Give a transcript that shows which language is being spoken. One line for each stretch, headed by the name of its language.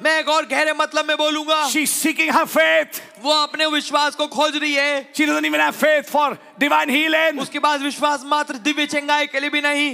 Hindi: मैं एक और गहरे मतलब में बोलूंगा.
English: She's seeking her faith.
Hindi: वो अपने विश्वास को खोज रही है.
English: She doesn't even have faith for divine healing.
Hindi: उसके पास विश्वास मात्र दिव्य चंगाई के लिए भी नहीं.